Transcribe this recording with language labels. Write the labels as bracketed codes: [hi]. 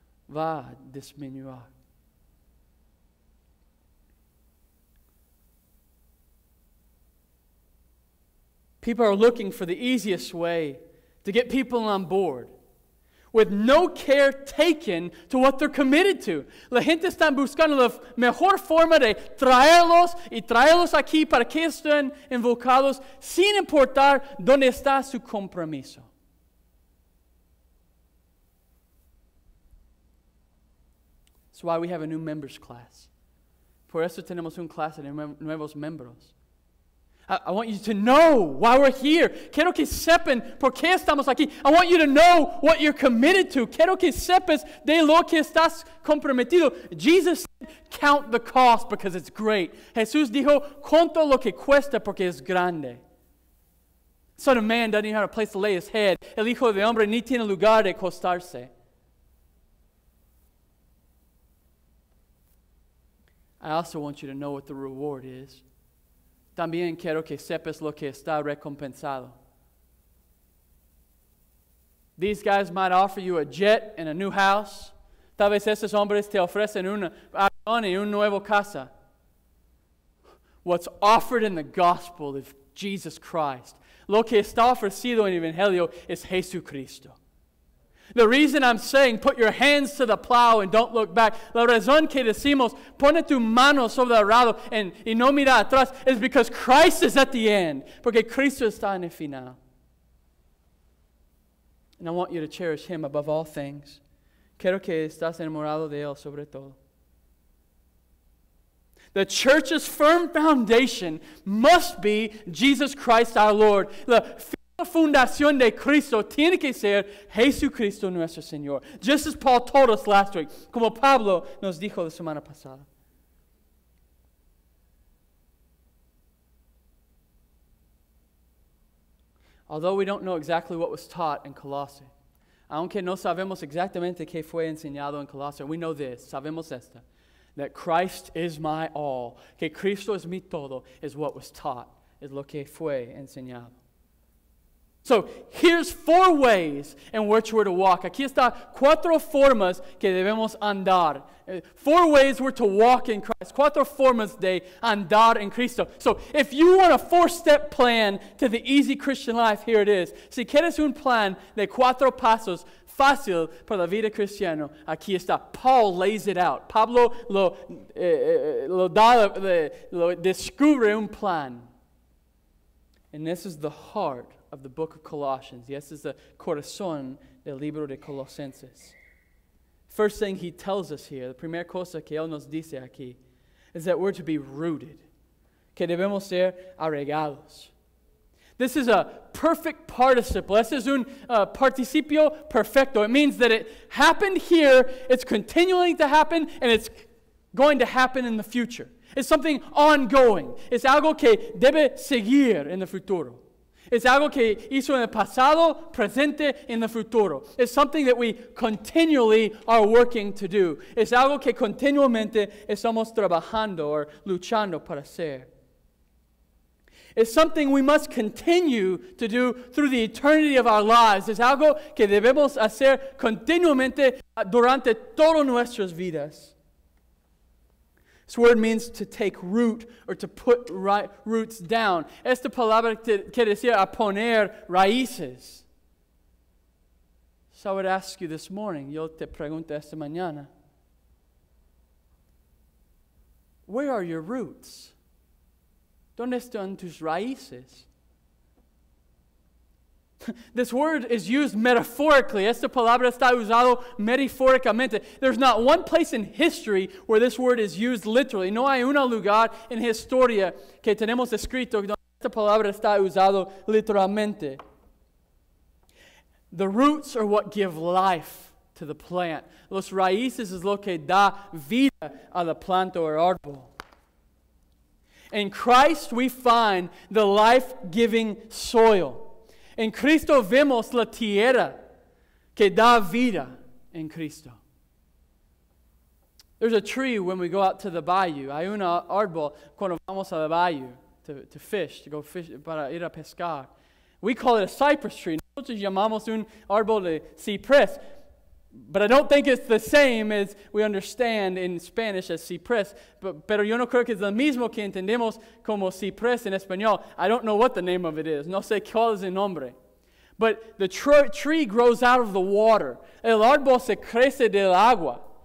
[es] Va a disminuir. [en] People are looking for the easiest way to get people on board. with no care taken to what they're committed to. [es] La gente está buscando la mejor forma de traerlos y traerlos aquí para que estén invocados sin importar dónde está su compromiso. [en] That's why we have a new members class. [es] Por eso tenemos un clase de nuevos miembros. [en] I want you to know why we're here. [es] Quiero que sepan por qué estamos aquí. [en] I want you to know what you're committed to. [es] Quiero que sepas de lo que estás comprometido. [en] Jesus said, count the cost because it's great. [es] Jesús dijo, cuento lo que cuesta porque es grande. [en] Son of man doesn't even have a place to lay his head. [es] El hijo de hombre ni tiene lugar de acostarse. [en] I also want you to know what the reward is. [es] También quiero que sepas lo que está recompensado. [en] These guys might offer you a jet and a new house. [es] Tal vez esos hombres te ofrecen un avión y un nuevo casa. [en] What's offered in the gospel of Jesus Christ, [es] lo que está ofrecido en el Evangelio es Jesucristo. [en] The reason I'm saying put your hands to the plow and don't look back, [es] la razón que decimos pone tu mano sobre el arado y no mira atrás, [en] is because Christ is at the end, [es] porque Cristo está en el final. [en] And I want you to cherish him above all things. [es] Quiero que estás enamorado de él sobre todo. [en] The church's firm foundation must be Jesus Christ our Lord. [es] La fundación de Cristo tiene que ser Jesucristo nuestro Señor. [en] Just as Paul told us last week, [es] como Pablo nos dijo la semana pasada. [en] Although we don't know exactly what was taught in Colossae, [es] aunque no sabemos exactamente qué fue enseñado en Colossae, [en] we know this, [es] sabemos esta, [en] that Christ is my all, [es] que Cristo es mi todo, [en] is what was taught, is [es] lo que fue enseñado. [en] So, here's four ways in which we're to walk. [es] Aquí está cuatro formas que debemos andar. [en] Four ways we're to walk in Christ. [es] Cuatro formas de andar en Cristo. [en] So, if you want a four-step plan to the easy Christian life, here it is. [es] Si quieres un plan de cuatro pasos fácil para la vida cristiana, aquí está. Paul lays it out. Pablo lo descubre un plan. [en] And this is the heart of the book of Colossians. Yes, it's the [es] corazón del libro de Colosenses. [en] First thing he tells us here, the [es] primera cosa que él nos dice aquí, [en] is that we're to be rooted. [es] Que debemos ser arraigados. [en] This is a perfect participle. [es] Este es un participio perfecto. [en] It means that it happened here, it's continuing to happen, and it's going to happen in the future. It's something ongoing. [es] Es algo que debe seguir en el futuro. [en] It's [es] algo que hizo en el pasado, presente, en el futuro. [en] It's something that we continually are working to do. It's [es] algo que continuamente estamos trabajando or luchando para hacer. [en] It's something we must continue to do through the eternity of our lives. It's [es] algo que debemos hacer continuamente durante todas nuestras vidas. [en] This word means to take root or to put roots down. [es] Esta palabra quiere decir a poner raíces. [en] So I would ask you this morning, [es] yo te pregunto esta mañana, [en] where are your roots? [es] ¿Dónde están tus raíces? [en] This word is used metaphorically. [es] Esta palabra está usado metafóricamente. [en] There's not one place in history where this word is used literally. [es] No hay un lugar en historia que tenemos escrito donde esta palabra está usado literalmente. [en] The roots are what give life to the plant. [es] Los raíces es lo que da vida a la planta o árbol. [en] In Christ we find the life-giving soil. [es] En Cristo vemos la tierra que da vida en Cristo. [en] There's a tree when we go out to the bayou. [es] Hay un árbol cuando vamos a la bayou [en] to fish, [es] para ir a pescar. [en] We call it a cypress tree. [es] Nosotros llamamos un árbol de cipres. [en] But I don't think it's the same as we understand in Spanish as cipres. [es] Pero yo no creo que es lo mismo que entendemos como cipres en español. [en] I don't know what the name of it is. [es] No sé cuál es el nombre. [en] But the tree grows out of the water. [es] El árbol se crece del agua.